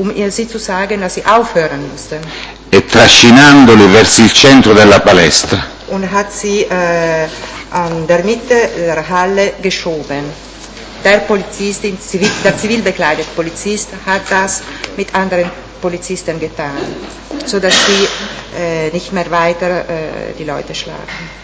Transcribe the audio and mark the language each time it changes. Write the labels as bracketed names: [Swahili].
[German] Sie zu sagen, dass sie aufhören müssen. [Italian] E trascinandoli verso il centro della palestra. [German] Und hat sie an der Mitte der Halle geschoben. Der Polizist, der zivilbekleidete Polizist, hat das mit anderen Polizisten getan, so dass sie nicht mehr weiter die Leute schlagen.